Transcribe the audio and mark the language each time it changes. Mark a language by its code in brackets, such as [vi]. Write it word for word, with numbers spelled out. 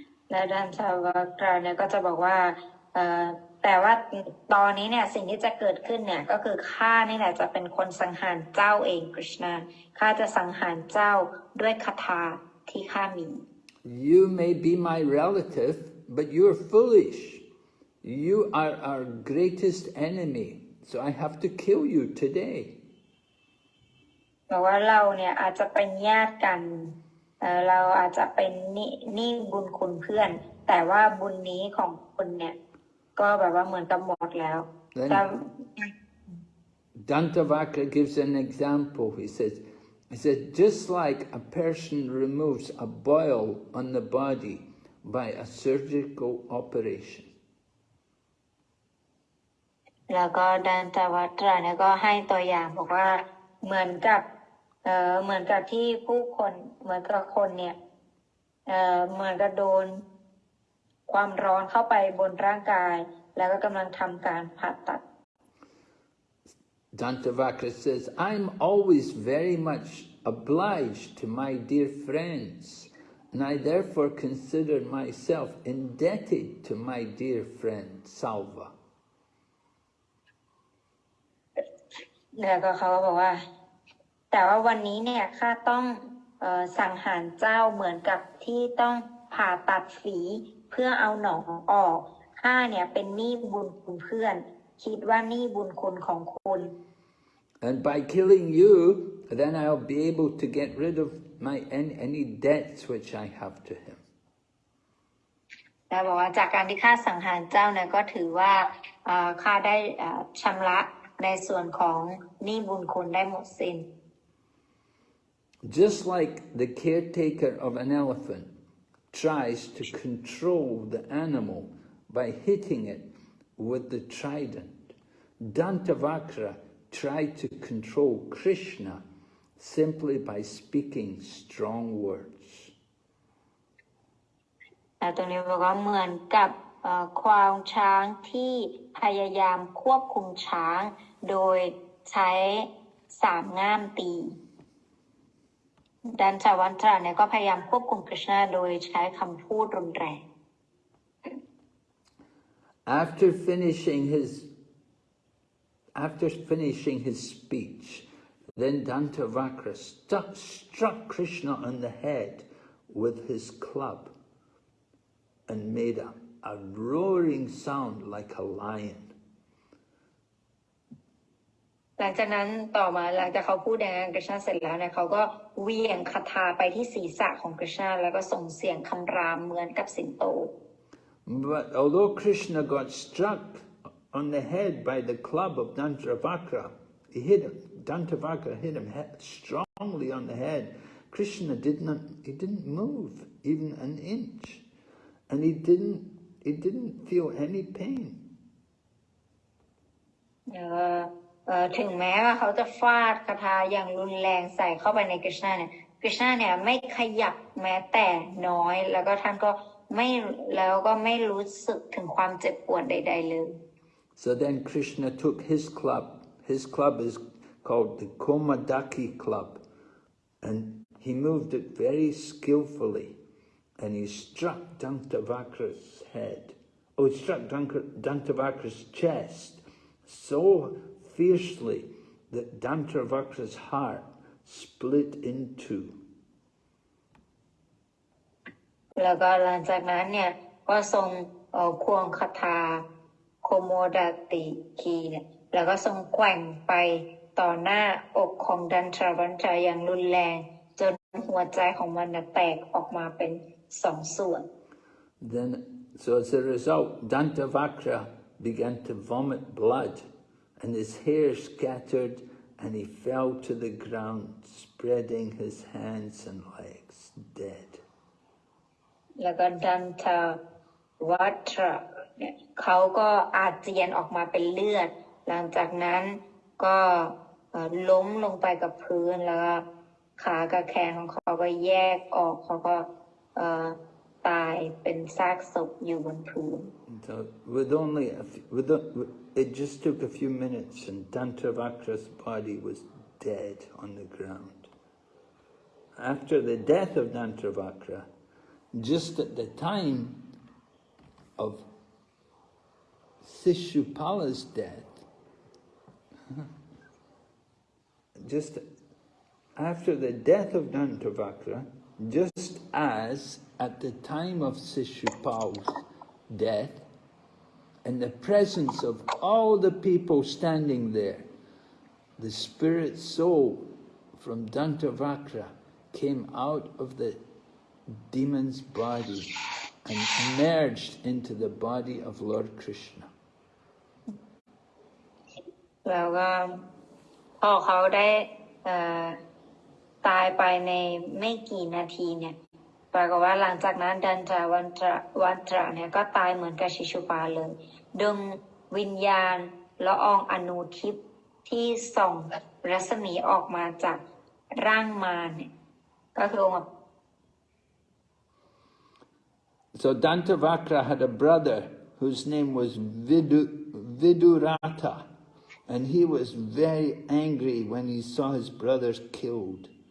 [th] และดันชาวกราเนี่ยก็จะบอกว่าเอ่อแต่ว่าตอนนี้เนี่ยสิ่งที่จะเกิดขึ้นเนี่ยก็คือข้านี่แหละจะเป็นคนสังหารเจ้าเองกฤษณาข้าจะสังหารเจ้าด้วยคาถาที่ข้ามี [en] You may be my relative, but you're foolish. You are our greatest enemy, so I have to kill you today. [th] บอกว่าเราเนี่ยอาจจะเป็นญาติกันเอ่อเราอาจจะเป็นหนี่นี่บุญคุณเพื่อน แต่ว่าบุญนี้ของคุณเนี่ยก็แบบว่าเหมือนกับหมดแล้ว แล้ว แต่ [en] Dantavakra gives an example. He says, he says, just like a person removes a boil on the body by a surgical operation. [th] แล้วก็ดันตวัตราเนี่ยก็ให้ตัวอย่างบอกว่าเหมือนกับเอ่อเหมือนกับที่ผู้คนเหมือนกับคนเนี่ยเอ่อเหมือนกับโดนความร้อนเข้าไปบนร่างกาย แล้วก็กำลังทำการผ่าตัด [en] Dantavakra says, "I'm always very much obliged to my dear friends, and I therefore consider myself indebted to my dear friend Salva." [th] แล้วก็เขาก็บอกว่า แต่ว่าวันนี้เนี่ยข้าต้องเอ่อสังหารเจ้าเหมือนกับที่ต้องผ่าตัดฝีเพื่อเอาหนองออกข้าเนี่ยเป็นหนี้บุญคุณเพื่อน คิดว่าหนี้บุญคุณของคุณ [en] And by killing you, then I'll be able to get rid of my any, any debts which I have to him. [th] นะบอกว่าจากการที่ข้าสังหารเจ้าเนี่ยก็ถือว่าเอ่อข้าได้เอ่อชำระในส่วนของหนี้บุญคุณได้หมดสิ้น [en] Just like the caretaker of an elephant tries to control the animal by hitting it with the trident, Dantavakra tried to control Krishna simply by speaking strong words. [th] แต่ตรงนี้บอกว่าเหมือนกับเอ่อควานช้างที่พยายามควบคุมช้าง โดยใช้สามง่ามตีดันจาวันตราเนี่ยก็พยายามควบคุมกฤษณะโดยใช้คำพูดรุนแรง [en] After finishing his After finishing his speech, then Dantavakra stuck, struck Krishna on the head with his club and made a, a roaring sound like a lion. [th] หลังจากนั้นต่อมาหลังจากเขาพูดอย่างนั้นกฤษณะเสร็จแล้วเนี่ยเขาก็เหวี่ยงคาถาไปที่ศีรษะของกฤษณะแล้วก็ส่งเสียงคำรามเหมือนกับสิงโต [en] But although Krishna got struck on the head by the club of Dantavakra, he hit him, Dantavakra hit him he- strongly on the head. Krishna did not, he didn't move even an inch. And he didn't, he didn't feel any pain. [th] เอ่อเอ่อถึงแม้ว่าเขาจะฟาดคาถาอย่างรุนแรงใส่เข้าไปในกฤษณะเนี่ยกฤษณะเนี่ยไม่ขยับแม้แต่น้อย แล้วก็ท่านก็ไม่แล้วก็ไม่รู้สึกถึงความเจ็บปวดใด ๆเลย [en] So then Krishna took his club. His club is called the Komadaki club. And he moved it very skillfully. And he struck Dantavakra's head. Oh, he struck Dank- Dantavakra's chest so fiercely that Dantavakra's heart split in two. [th] แล้วก็หลังจากนั้นเนี่ยก็ทรงเอ่อควงคาถาโคโมดาติคีเนี่ยแล้วก็ทรงแกว่งไปต่อหน้าอกของดันทราวันจาอย่างรุนแรง จนหัวใจของมันน่ะแตกออกมาเป็นสองส่วน [en] Then, so as a result, Dantavakra began to vomit blood, and his hair scattered, and he fell to the ground, spreading his hands and legs dead. [th] แล้วก็ดันทาวัตรเนี่ยเขาก็อาเจียนออกมาเป็นเลือด หลังจากนั้นก็เอ่อล้มลงไปกับพื้นแล้วก็ขากับแขนของเขาก็แยกออกเขาก็เอ่อตายเป็นซากศพอยู่บนพื้น [en] So, with only a few, with a, it just took a few minutes, and Dantavakra's body was dead on the ground. After the death of Dantavakra, just at the time of Shishupala's death, just after the death of Dantavakra, just as at the time of Shishupala's death, in the presence of all the people standing there, the spirit soul from Dantavakra came out of the demon's body and merged into the body of Lord Krishna. [th] แล้วก็พอเขาได้เอ่อตายไปในไม่กี่นาทีเนี่ยปรากฏว่าหลังจากนั้นดันจาวันตระวันตระเนี่ยก็ตายเหมือนกับชิชุปาเลยดวงวิญญาณละอองอนุทิพที่ส่องรัศมีออกมาจากร่างมารเนี่ยก็คือองค์ [en] So Dantavakra had a brother whose name was Vidu, Vidurata, and he was very angry when he saw his brothers killed.